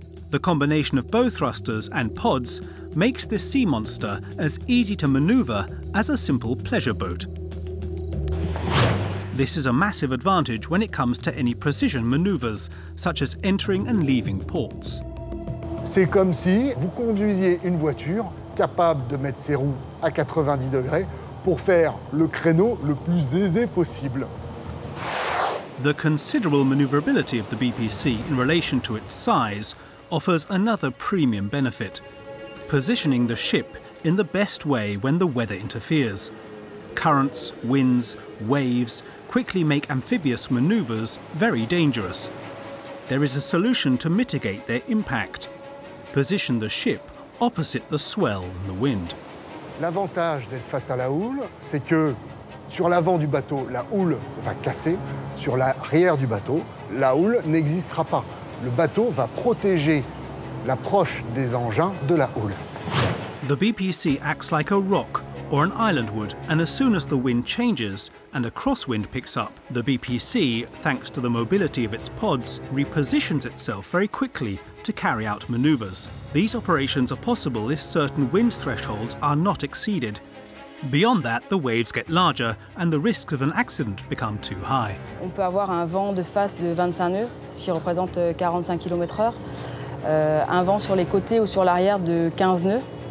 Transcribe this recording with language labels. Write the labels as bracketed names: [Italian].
[English] The combination of bow thrusters and pods makes this sea monster as easy to maneuver as a simple pleasure boat. This is a massive advantage when it comes to any precision maneuvers, such as entering and leaving ports. [French] C'est comme si vous conduisiez une voiture capable de mettre ses roues à 90 degrés pour faire le créneau le plus aisé possible. [English] The considerable maneuverability of the BPC in relation to its size offers another premium benefit, positioning the ship in the best way when the weather interferes. Currents, winds, waves quickly make amphibious maneuvers very dangerous. There is a solution to mitigate their impact. Position the ship opposite the swell and the wind. [French] L'avantage d'être face à la houle, c'est que sur l'avant du bateau, la houle va casser. Sur l'arrière du bateau, la houle n'existera pas. Le bateau va protéger l'approche des engins de la houle. [English] The BPC acts like a rock or an island would, and as soon as the wind changes and a crosswind picks up, the BPC, thanks to the mobility of its pods, repositions itself very quickly to carry out maneuvers. These operations are possible if certain wind thresholds are not exceeded. Beyond that, the waves get larger and the risks of an accident become too high. [French] On peut avoir un vent de face de 25 nœuds, ce qui représente 45 km/h, un vent sur les côtés ou sur l'arrière de 15 nœuds.